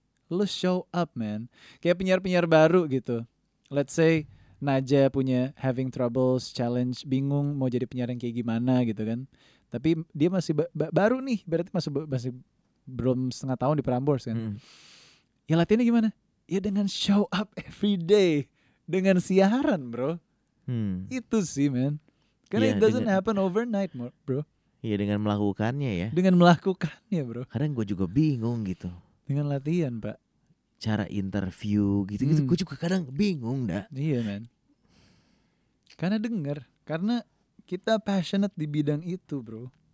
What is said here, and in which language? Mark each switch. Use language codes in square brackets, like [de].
[id] Lo [en] show up, man. [id] Kayak penyiar-penyiar baru gitu. [en] Let's say [id] Naja punya [en] having troubles, [id] challenge, bingung mau jadi penyiar yang kayak gimana gitu kan. Tapi dia masih baru nih, berarti masih belum setengah tahun di Prambors kan. Ya latihannya gimana? Ya dengan [en] show up every day, [id] dengan siaran bro. Itu sih man. Karena ya, [en] it doesn't happen overnight bro. [id] Iya dengan melakukannya ya. Dengan melakukannya bro. Kadang gue juga bingung gitu. Dengan latihan pak. Cara interview gitu-gitu. Gue juga kadang bingung dah. Iya man. Karena dengar. Karena kita passionate di bidang itu bro.